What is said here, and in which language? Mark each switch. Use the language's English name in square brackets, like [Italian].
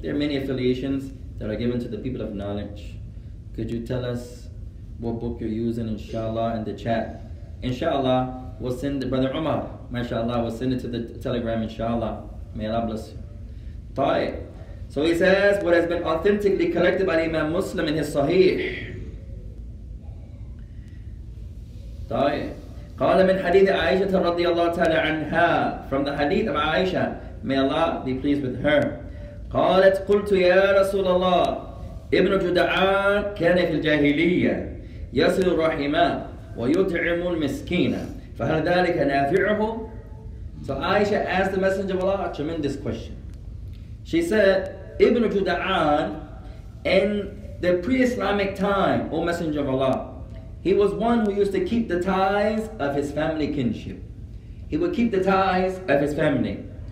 [English] There are many affiliations that are given to the people of knowledge. Could you tell us what book you're using, inshallah, in the chat? Inshallah, we'll send the brother Umar, mashallah, we'll send it to the telegram, inshallah. May Allah bless you. Ta'i. So he says, what has been authentically collected by the Imam Muslim in his Sahih. Ta'i. [Arabic] قال من حديث عائشة رضي الله تعالى عنها. [English] From the hadith of Aisha, may Allah be pleased with her. [Arabic] قالت قلت يا رسول الله ابن جدعان كان في الجاهلية يصل الرحمة ويطعم المسكينة فهل ذلك نافعه. [English] So Aisha asked the Messenger of Allah a tremendous question. She said, ابن جدعان, in the pre-Islamic time, O Messenger of Allah, he was one who used to keep the ties of his family kinship. He would keep the ties of his family.